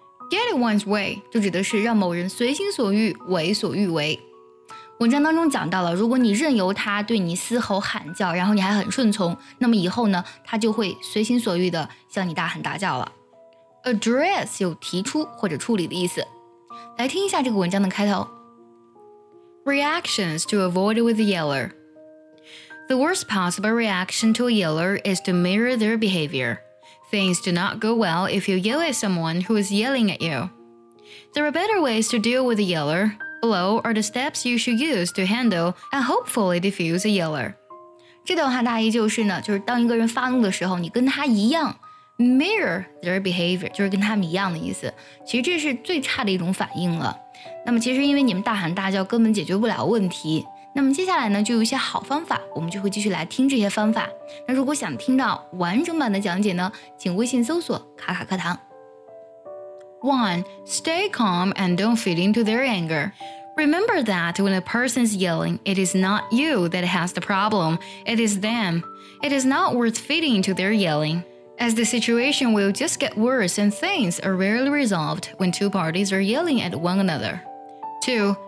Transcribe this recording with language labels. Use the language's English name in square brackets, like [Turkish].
[Chinese] Get one's way 就指的是让某人随心所欲、为所欲为。文章当中讲到了，如果你任由他对你嘶吼喊叫，然后你还很顺从，那么以后呢，他就会随心所欲地向你大喊大叫了。 Address 有提出或者处理的意思。来听一下这个文章的开头。 [English] Reactions to avoid with a yeller. The worst possible reaction to a yeller is to mirror their behavior. Things do not go well if you yell at someone who is yelling at you. There are better ways to deal with a yeller. Below are the steps you should use to handle and hopefully defuse a yeller. [Chinese] 这段话大意就是呢，就是当一个人发怒的时候，你跟他一样 mirror their behavior，就是跟他们一样的意思。其实这是最差的一种反应了。那么其实因为你们大喊大叫根本解决不了问题。那么接下来呢就有一些好方法我们就会继续来听这些方法那如果想听到完整版的讲解呢请微信搜索卡卡课堂 [English] 1. Stay calm and don't feed into their anger Remember that when a person is yelling it is not you that has the problem it is them It is not worth feeding into their yelling as the situation will just get worse and things are rarely resolved when two parties are yelling at one another 2.